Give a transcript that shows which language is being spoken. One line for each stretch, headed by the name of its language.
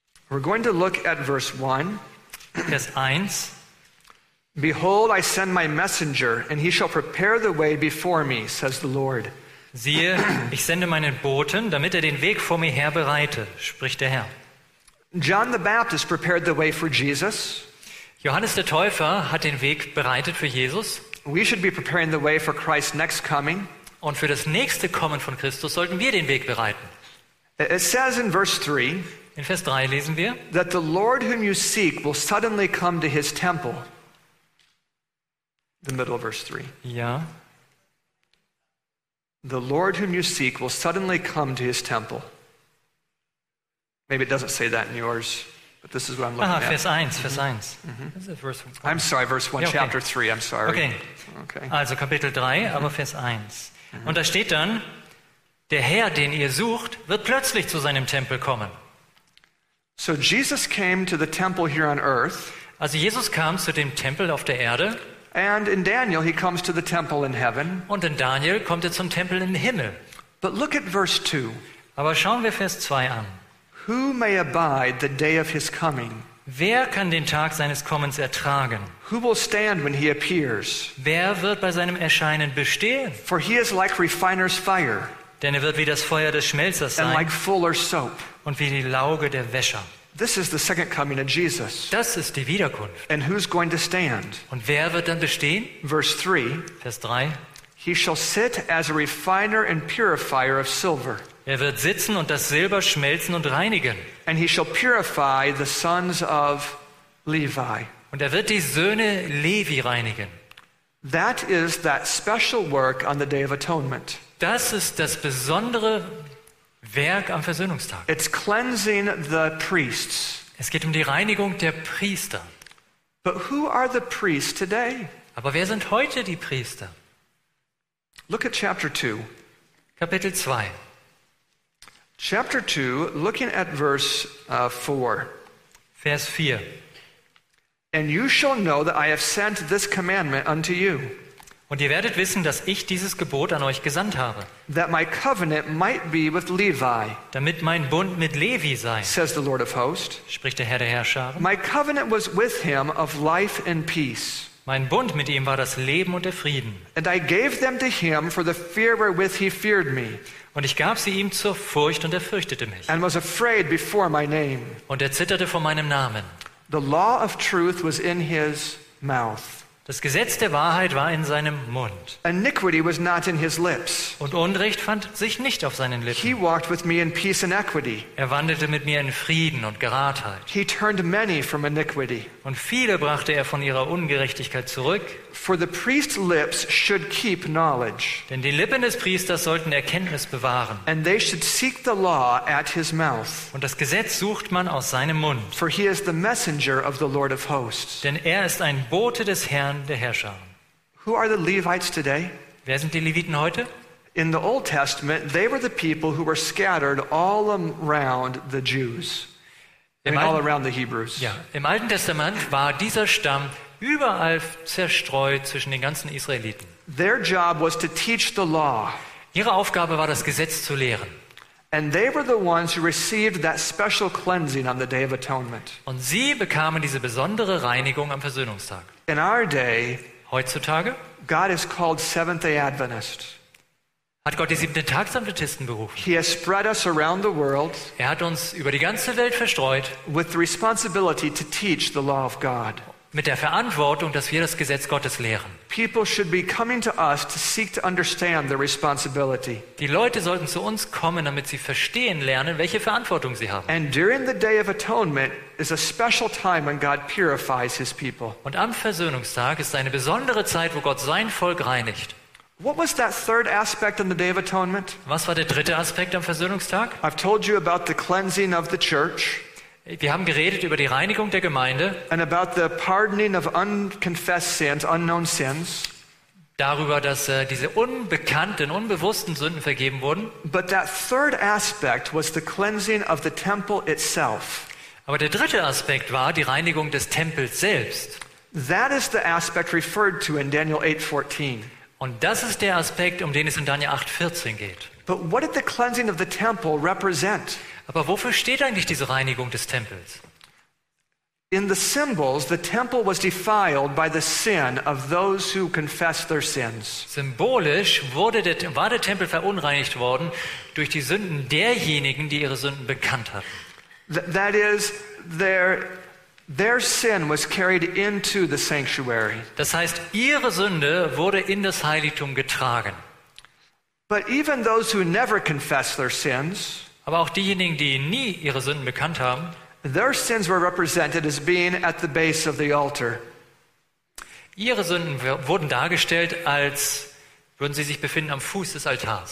English: We're going to look at verse 1.
German: Vers 1.
English: Behold, I send my messenger, and he shall prepare the way before me, says the Lord.
German: Siehe, ich sende meinen Boten, damit den Weg vor mir herbereite, spricht der Herr.
English: John the Baptist prepared the way for Jesus.
German: Johannes der Täufer hat den Weg bereitet für Jesus.
English: We should be preparing the way for Christ's next coming.
German: Und für das nächste Kommen von Christus sollten wir den Weg bereiten.
English: It says in verse 3,
German: in Vers 3 lesen wir,
English: that the Lord whom you seek will suddenly come to his temple. The middle of verse 3.
German: Ja.
English: The Lord whom you seek will suddenly come to his temple. Maybe it doesn't say that in yours, but this is what I'm looking at.
German: Vers 1, Vers 1.
English: I'm sorry, verse 1, yeah, okay. Chapter 3, I'm sorry.
German: Okay. Also Kapitel 3, aber Vers 1. Mm-hmm. Und da steht dann, der Herr, den ihr sucht, wird plötzlich zu seinem Tempel kommen.
English: So Jesus came to the temple here on earth.
German: Also Jesus kam zu dem Tempel auf der Erde.
English: And in Daniel, he comes to the temple in heaven.
German: Und in Daniel kommt zum Tempel im Himmel.
English: But look at verse 2.
German: Aber schauen wir Vers 2 an.
English: Who may abide the day of his coming?
German: Wer kann den Tag seines Kommens ertragen?
English: Who will stand when he appears?
German: Wer wird bei seinem Erscheinen bestehen?
English: For he is like refiner's fire.
German: Denn wird wie das Feuer des Schmelzers sein.
English: And like fuller soap.
German: Und wie die Lauge der Wäscher.
English: This is the second coming of Jesus.
German: Das ist die Wiederkunft.
English: And who's going to stand?
German: Und wer wird dann bestehen?
English: Verse 3.
German: Vers 3.
English: He shall sit as a refiner and purifier of silver.
German: Er wird sitzen und das Silber schmelzen und reinigen.
English: And he shall purify the sons of Levi.
German: Und wird die Söhne Levi reinigen.
English: That is that special work on the Day of Atonement.
German: Das ist das besondere Werk am Versöhnungstag.
English: It's cleansing the priests.
German: Es geht die Reinigung der Priester.
English: But who are the priests today?
German: Aber wer sind heute die Priester?
English: Look at chapter 2.
German: Kapitel 2.
English: Chapter 2, looking at verse 4.
German: Vers 4.
English: And you shall know that I have sent this commandment unto you.
German: Und ihr werdet wissen, dass ich dieses Gebot an euch gesandt habe.
English: That my covenant might be with Levi,
German: damit mein Bund mit Levi sei,
English: says the Lord of Hosts,
German: spricht der Herr der Herrscher.
English: My covenant was with him of life and peace.
German: Mein Bund mit ihm war das Leben und der Frieden.
English: And I gave them to him for the fear wherewith he feared me.
German: Und ich gab sie ihm zur Furcht und fürchtete mich.
English: And was afraid before my name.
German: Und zitterte vor meinem Namen.
English: The law of truth was in his mouth.
German: Das Gesetz der Wahrheit war in seinem Mund.
English: Iniquity was not in his lips.
German: Und Unrecht fand sich nicht auf seinen Lippen.
English: He walked with me in peace and equity.
German: Er wandelte mit mir in Frieden und Geradheit.
English: He turned many from iniquity.
German: Und viele brachte er von ihrer Ungerechtigkeit zurück.
English: For the priest's lips should keep knowledge.
German: Denn die Lippen des Priesters sollten Erkenntnis bewahren.
English: And they should seek the law at his mouth.
German: Und das Gesetz sucht man aus seinem Mund.
English: For he is the messenger of the Lord of Hosts.
German: Denn ist ein Bote des Herrn.
English: Who are the Levites today?
German: Wer sind die Leviten heute?
English: In the Old Testament, they were the people who were scattered all around the Jews. All around the Hebrews.
German: Ja, im Alten Testament war dieser Stamm überall zerstreut zwischen den ganzen Israeliten.
English: Their job was to teach the law.
German: Ihre Aufgabe war, das Gesetz zu lehren.
English: And they were the ones who received that special cleansing on the Day of Atonement.
German: Und sie bekamen diese besondere Reinigung am Versöhnungstag.
English: In our day,
German: heutzutage,
English: God is called Seventh-day Adventist.
German: Hat Gott die Siebenten-Tags-Adventisten berufen?
English: He has spread us around the world.
German: Er hat uns über die ganze Welt verstreut.
English: With the responsibility to teach the law of God.
German: Mit der Verantwortung, dass wir das Gesetz Gottes lehren.
English: People should be coming to us to seek to understand their responsibility.
German: Die Leute sollten zu uns kommen, damit sie verstehen lernen, welche Verantwortung sie haben.
English: And during the Day of Atonement is a special time when God purifies his people.
German: Und am Versöhnungstag ist eine besondere Zeit, wo Gott sein Volk reinigt.
English: What was that third aspect on the Day of Atonement?
German: Was war der dritte Aspekt am Versöhnungstag?
English: I've told you about the cleansing of the church.
German: Wir haben geredet über die Reinigung der Gemeinde.
English: And about the pardoning of unconfessed sins, unknown sins.
German: Darüber, dass diese unbekannten, unbewussten Sünden vergeben wurden.
English: But that third aspect was the cleansing of the temple itself.
German: Aber der dritte Aspekt war die Reinigung des Tempels selbst.
English: That is the aspect referred to in Daniel 8:14.
German: Und das ist der Aspekt, um den es in Daniel 8:14 geht.
English: But what did the cleansing of the temple represent?
German: Aber wofür steht eigentlich diese Reinigung des Tempels?
English: In the symbols, the temple was defiled by the sin of those who confessed their sins.
German: Symbolisch wurde der, war der Tempel verunreinigt worden durch die Sünden derjenigen, die ihre Sünden bekannt hatten.
English: That is, their sin was carried into the sanctuary.
German: Das heißt, ihre Sünde wurde in das Heiligtum getragen.
English: But even those who never confessed their sins,
German: aber auch diejenigen, die nie ihre Sünden bekannt haben,
English: their sins were represented as being at the base of the altar.
German: Ihre Sünden wurden dargestellt, als würden sie sich befinden am Fuß des Altars.